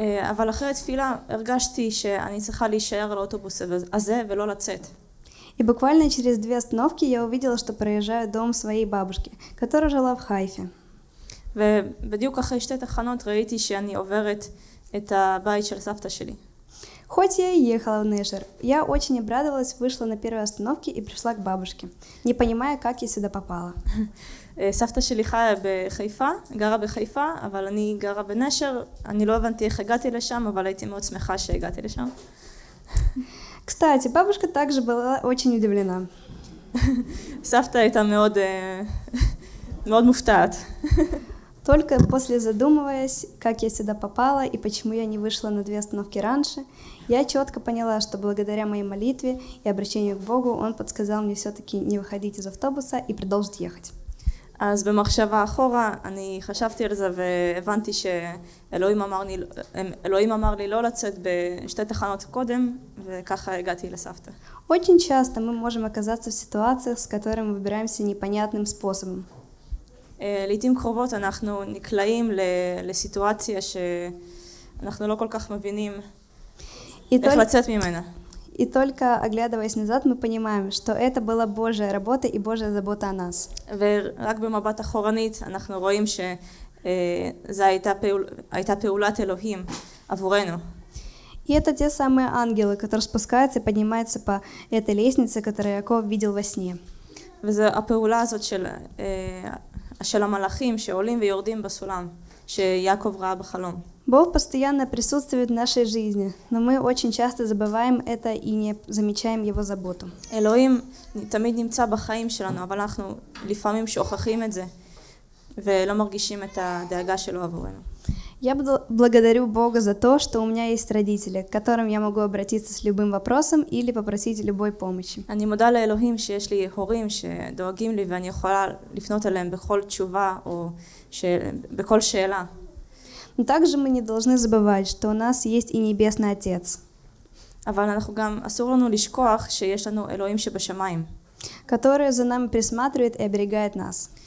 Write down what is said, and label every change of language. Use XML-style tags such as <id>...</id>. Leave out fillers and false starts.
<he>אבל אחרי התפילה הרגשתי שאני צריכה להישאר לאוטובוס הזה ולא לצאת.</he> <ru>И буквально через две остановки я увидела, что проезжаю дом своей бабушки, которая жила в Хайфе.</ru> <he>ובדיוק אחרי שתי תחנות ראיתי שאני עוברת את הבית של סבתא שלי.</he> <ru>Хоть я и ехала в Нежер, я очень обрадовалась, вышла на первой остановке и пришла к бабушке, не понимая, как я сюда попала.</ru> <he>סבתא שלי חיה בחיפה, גרה בחיפה, אבל אני גרה בנשר, אני לא הבנתי איך הגעתי לשם, אבל הייתי מאוד שמחה שהגעתי לשם.</he> <ru>Кстати, бабушка также была очень удивлена.</ru> <he>סבתא הייתה מאוד מאוד מופתעת.</he> <ru>Только после задумываясь, как я сюда попала и почему я не вышла на две остановки раньше, я чётко поняла, что благодаря моей молитве и обращению к Богу он подсказал мне всё-таки не выходить из автобуса и продолжить ехать.</ru> <he>אז במחשבה אחורה, אני חשבתי על זה והבנתי שאלוהים אמר לי לא לצאת בשתי תחנות קודם, וככה הגעתי לסבתא.</he> <ru>Очень часто мы можем оказаться в ситуациях, с которыми мы выбираемся непонятным способом.</ru> <he>לעתים קרובות אנחנו נקלעים לסיטואציה שאנחנו לא כל כך מבינים איך לצאת ממנה.</he> <ru>И только оглядываясь назад, мы понимаем, что это была Божья работа и Божья забота о нас.</ru> <he>ורק במבט אחורנית אנחנו רואים שזה הייתה פעולת אלוהים עבורנו.</he> <ru>И это те самые ангелы, которые спускаются и поднимаются по этой лестнице, которую Яков видел во сне.</ru> <he>וזה הפעולה הזאת של של המלאכים שעולים ויורדים בסולם שיעקב ראה בחלום.</he> <ru>Бог постоянно присутствует в нашей жизни, но мы очень часто забываем это и не замечаем его заботу.</ru> <he>אלוהים תמיד נמצא בחיים שלנו, אבל אנחנו לפעמים שוכחים את זה ולא מרגישים את הדאגה שלו עבורנו.</he> <ru>Я благодарю Бога за то, что у меня есть родители, к которым я могу обратиться с любым вопросом или попросить любой помощи.</ru> <he>אני מודה לאלוהים שיש לי הורים שדואגים לי ואני יכולה לפנות אליהם בכל תשובה או בכל שאלה.</he> <ru>Но также мы не должны забывать, что у нас есть и небесный отец.</ru> <he>אבל אנחנו גם אסור לנו לשכוח שיש לנו אלוהים שבשמיים,</he> <ru>который за нами присматривает и оберегает нас.</ru>